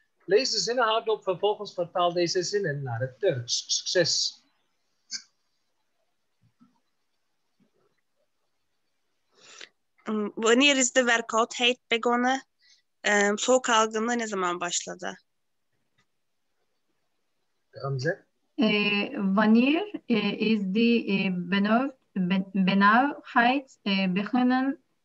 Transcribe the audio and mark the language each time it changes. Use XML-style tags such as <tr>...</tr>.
<nl>Lees de zinnen hardop, vervolgens vertaal deze zinnen naar het Turks. Succes! Wanneer is de verkoudheid begonnen?</nl> <tr>Soğuk algınlığı ne zaman başladı?</tr> <nl>Gamze? Wanneer is de benauwdheid begonnen?</nl>